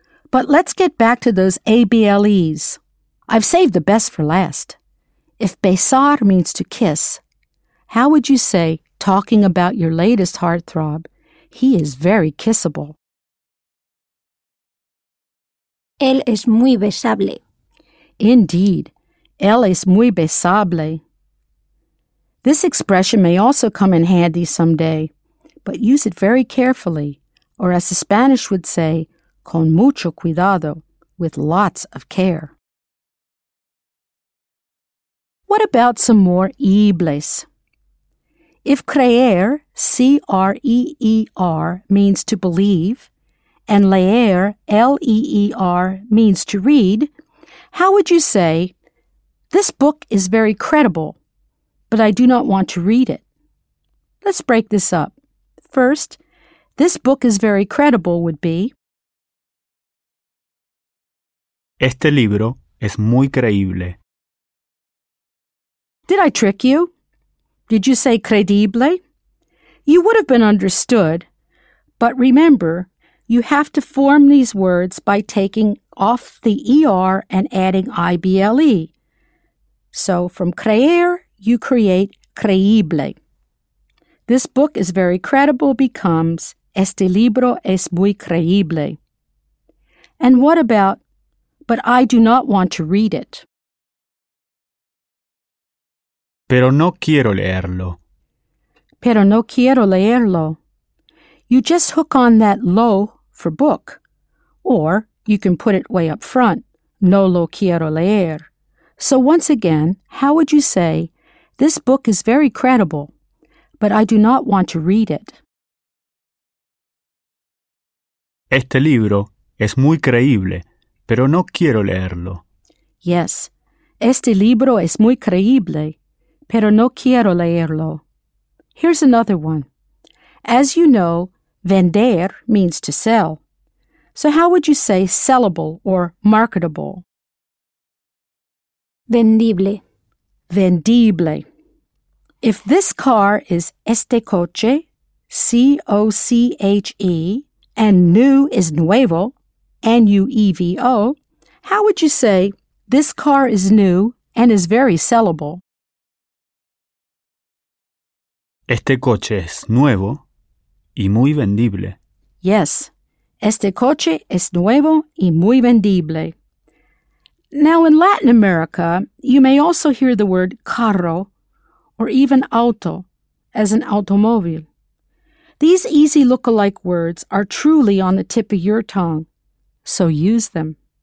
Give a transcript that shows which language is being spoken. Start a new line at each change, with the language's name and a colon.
English: But let's get back to those ABLEs. I've saved the best for last. If besar means to kiss, how would you say, talking about your latest heartthrob, he is very kissable?
Spanish: Él es muy besable. Indeed, él es muy besable.
English: This expression may also come in handy someday, but use it very carefully, or as the Spanish would say,
Spanish: con mucho cuidado,
English: with lots of care. What about some more ibles? If creer, C-R-E-E-R, means to believe, and leer, L-E-E-R, means to read, how would you say, this book is very credible, but I do not want to read it? Let's break this up. First, this book is very credible would be,
Spanish: este libro es muy creíble.
English: Did I trick you? Did you say credible? You would have been understood, but remember, you have to form these words by taking off the ER and adding IBLE. So from creer, you create creíble. This book is very credible becomes este libro es muy creíble. And what about, but I do not want to read it?
Spanish: Pero no quiero leerlo. Pero no quiero leerlo.
English: You just hook on that lo for book. Or you can put it way up front.
Spanish: No lo quiero leer.
English: So once again, how would you say, this book is very credible, but I do not want to read it?
Spanish: Este libro es muy creíble, pero no quiero leerlo. Yes, este libro es muy creíble, pero no quiero leerlo.
English: Here's another one. As you know, vender means to sell. So how would you say sellable or marketable?
Spanish: Vendible. Vendible.
English: If this car is este coche, C-O-C-H-E, and new is nuevo, N-U-E-V-O, how would you say this car is new and is very sellable?
Spanish: Este coche es nuevo y muy vendible. Yes, este coche es nuevo y muy vendible.
English: Now, in Latin America, you may also hear the word carro or even auto as an automóvil. These easy look-alike words are truly on the tip of your tongue, so use them.